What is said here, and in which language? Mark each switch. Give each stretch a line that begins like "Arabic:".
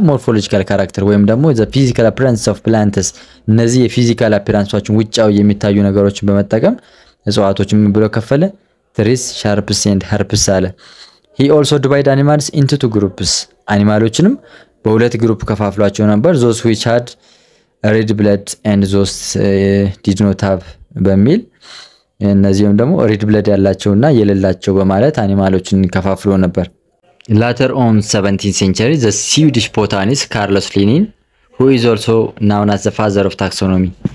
English: morphological character
Amharic: ወይም ደግሞ
English: the physical appearance of plants.
Amharic: እነዚህ የፊዚካል አፒራንሶችን ውጫው የሚታዩ ነገሮችን በመጠቀም እጽዋቶችን ብሎ ከፈለ
English: trees, shrubs and herbs
Amharic: አለ።
English: He also divided animals into two groups.
Amharic: አኒማሎችንም በሁለት ግሩፕ ከፋፍሏቸው ነበር።
English: Those which had red blood and those did not have
Amharic: በሚል እነዚህም ደግሞ
English: red blood
Amharic: ያላቸውና የሌላቸው በማለት አኒማሎችን ከፋፍሎ ነበር።
English: Later on 17th century the Swedish botanist Carlos Linnaeus, who is also known as the father of taxonomy.